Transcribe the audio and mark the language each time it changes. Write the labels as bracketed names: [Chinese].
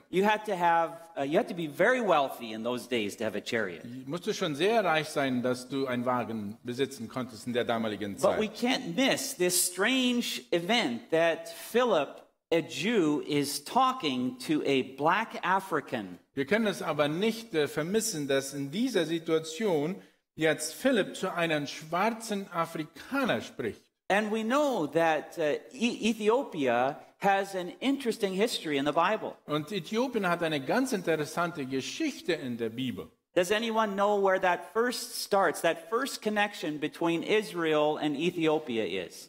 [English] You had to be very wealthy in those days to have a chariot. [German] Musste schon sehr reich sein, dass du einen Wagen besitzen konntest in der damaligen Zeit. [English] But we can't miss this strange event that Philip, a Jew, is talking to a black African. [German] Wir können es aber nicht vermissen, dass in dieser Situation jetzt Philip zu einem schwarzen Afrikaner spricht. [English] And we know that Ethiopia has an interesting history in the Bible. [German] Und Äthiopien hat eine ganz interessante Geschichte in der Bibel. [English] Does anyone know where that first starts, that first connection between Israel and Ethiopia is?